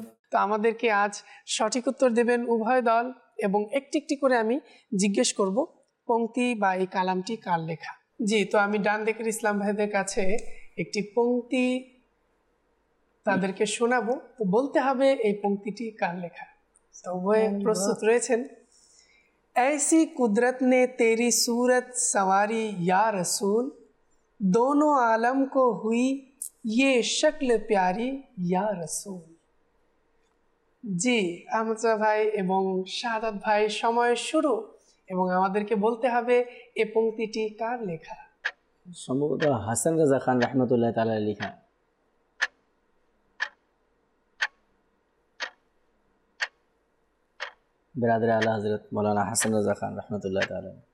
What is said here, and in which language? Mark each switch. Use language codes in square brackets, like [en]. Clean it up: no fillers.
[bn] তো আমাদেরকে আজ সঠিক উত্তর দেবেন উভয় দল, এবং একটি একটি করে আমি জিজ্ঞেস করব পংক্তি বা এই কালামটি কার লেখা। জি, তো আমি ডান দিকের ইসলাম ভাইদের কাছে একটি পংক্তি তাদেরকে শোনাবো, তো বলতে হবে এই পংক্তিটি কার লেখা। তো উভয় প্রস্তুত রয়েছেন? [hi] ऐसी कुदरत ने तेरी सूरत सवारी या रसूल, दोनों आलम को हुई ये शक्ल प्यारी या रसूल। जी अहमद साहब भाई एवं शहादत भाई, समय शुरू, एवं [bn] আমাদেরকে বলতে হবে এ পংক্তিটি কার লেখা? সম্ভবত হাসান রাজা খান রহমাতুল্লাহ তাআলা লেখা। বিরাদরে আলা হযরত মাওলানা হাসান রাজা খান রহমাতুল্লাহ তাআলা।